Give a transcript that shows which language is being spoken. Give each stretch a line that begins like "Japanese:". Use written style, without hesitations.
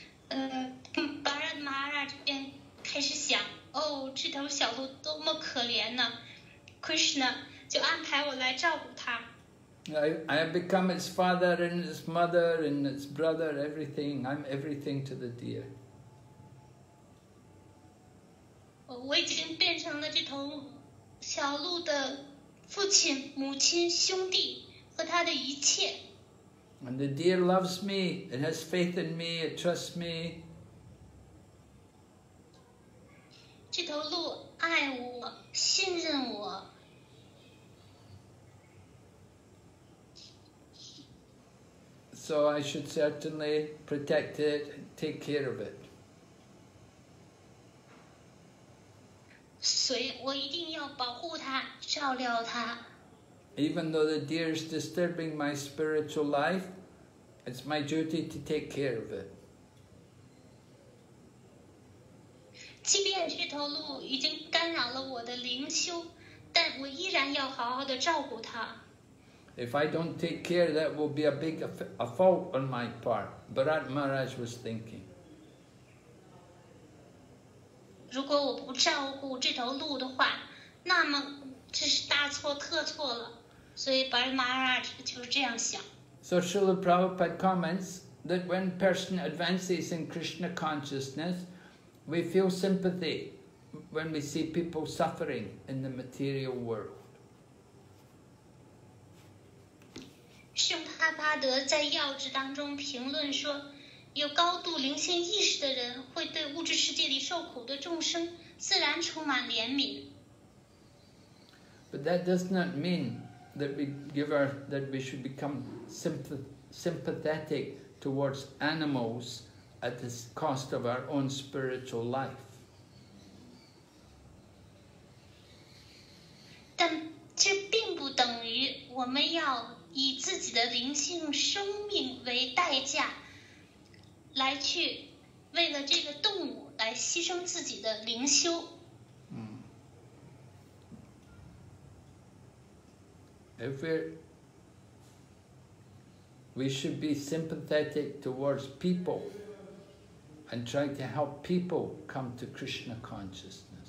Chinese: Bharat Maharaj 便开始想哦，这头小鹿多么可怜呢 ！Krishna 就安排我来照顾它。
English: I have become its father and its mother and its brother. Everything, I'm everything to the deer.
Chinese: 我已经变成了这头小鹿的父亲、母亲、兄弟和它的一切。
English: And the deer loves me. It has faith in me. It trusts me.
Chinese: 这头鹿爱我，信任我。
English: So I should certainly protect it, take care of it.
Chinese: 所以我一定要保护它，照料它。
English: Even though the deer is disturbing my spiritual life, it's my duty to take care of it.
Chinese: 即便这头鹿已经干扰了我的灵修，但我依然要好好地照顾他。
English: If I don't take care, that will be a big a fault on my part. Bharat Maharaj was thinking.
Chinese: 如果我不照顾这头鹿的话，那么这是大错特错了。所以 Bharat Maharaj 就是这样想。
English: So Srila Prabhupada comments that when person advances in Krishna consciousness, we feel sympathy when we see people suffering in the material world.
Chinese: 圣帕帕德在要旨当中评论说，有高度灵性意识的人会对物质世界里受苦的众生自然充满怜悯。
English: But that does not mean that we give our, that we should become sympathetic towards animals at the cost of our own spiritual life.
Chinese: 但这并不等于我们要以自己的灵性生命为代价，来去为了这个动物来牺牲自己的灵修。
English: If we should be sympathetic towards people and try to help people come to Krishna consciousness.